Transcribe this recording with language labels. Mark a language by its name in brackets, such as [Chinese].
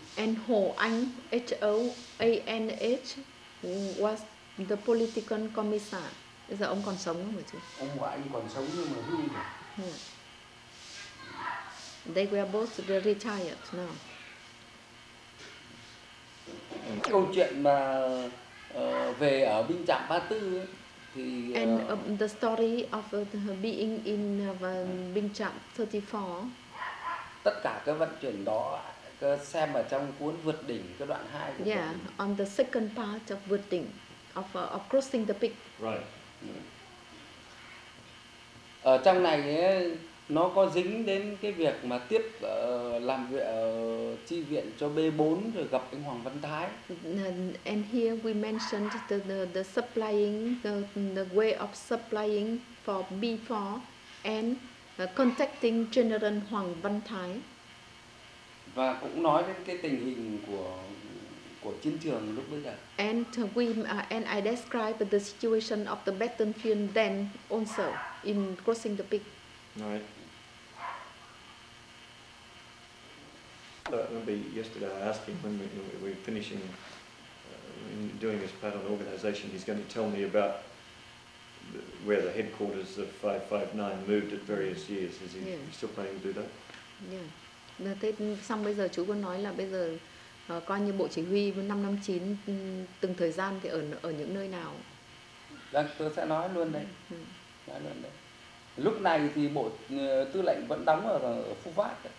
[English] And Hồ Anh, H O A N H, was the political commissar. [Vietnamese] Bây giờ ông còn sống không phải chứ? Ông và anh còn sống nhưng mà hư rồi. [English] They were both retired now. [Vietnamese] Câu chuyện mà về ở binh trạm 34 thì [English] and the story of being in binh trạm 34. [Vietnamese] Tất cả cái vận chuyển đó xem ở trong cuốn Vượt Đỉnh cái đoạn 2 của [English] yeah, on the second part of Vượt Đỉnh of Crossing the Peak. Right. [Vietnamese] Ở trong này ấy, nó có dính đến cái việc mà tiếp làm việc chi viện cho B4 rồi gặp anh Hoàng Văn Thái. [English] And here we mentioned the supplying the way of supplying for B4 and contacting General Hoàng Văn Thái. [Vietnamese] Và cũng nói đến cái tình hình của chiến trường lúc bây giờ. [English] And I describe the situation of the battlefield then also in Crossing the Peak. Right. I remember yesterday I asked him when we were finishing doing this part of the organization, he's going to tell me about where the headquarters of 559 moved at various years. Is he still planning to do that? Yeah. [Vietnamese] Thế xong bây giờ chú có nói là bây giờ coi như bộ chỉ huy 559 từng thời gian thì ở những nơi nào? Vâng, tôi sẽ nói luôn đấy. Nói luôn đấy. Lúc này thì bộ tư lệnh vẫn đóng ở Phu Vát.